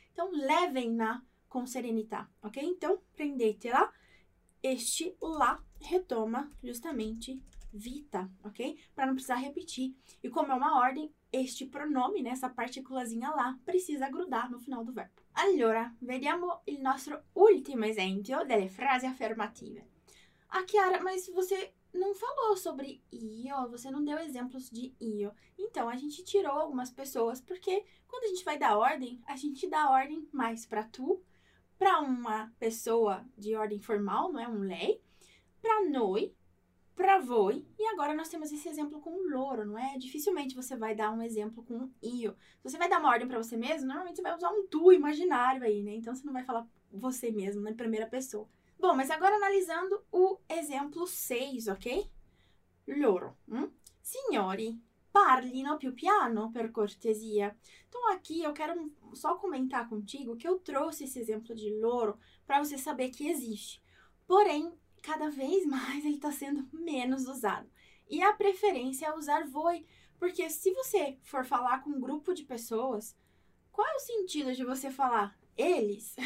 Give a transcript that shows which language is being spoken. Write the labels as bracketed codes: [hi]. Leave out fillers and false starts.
[pt] Então, levem-na com serenità, ok? Então, prendetela, este lá retoma justamente vita, ok? Para não precisar repetir. E como é uma ordem, este pronome, né, essa partículazinha lá, precisa grudar no final do verbo. [it] Allora, vediamo il nostro ultimo esempio delle frasi affermative. [pt] A Chiara, mas você não falou sobre io, você não deu exemplos de io. Então, a gente tirou algumas pessoas, porque quando a gente vai dar ordem, a gente dá ordem mais para tu, para uma pessoa de ordem formal, não é um lei, para noi, para voi, e agora nós temos esse exemplo com loro, não é? Dificilmente você vai dar um exemplo com io. Se você vai dar uma ordem para você mesmo, normalmente você vai usar um tu imaginário aí, né? Então, você não vai falar você mesmo, na primeira pessoa. Bom, mas agora analisando o exemplo 6, ok? Loro. [it] Signori, parlino più piano, per cortesia. [pt] Então, aqui eu quero só comentar contigo que eu trouxe esse exemplo de loro para você saber que existe. Porém, cada vez mais ele está sendo menos usado. E a preferência é usar voi, porque se você for falar com um grupo de pessoas, qual é o sentido de você falar eles?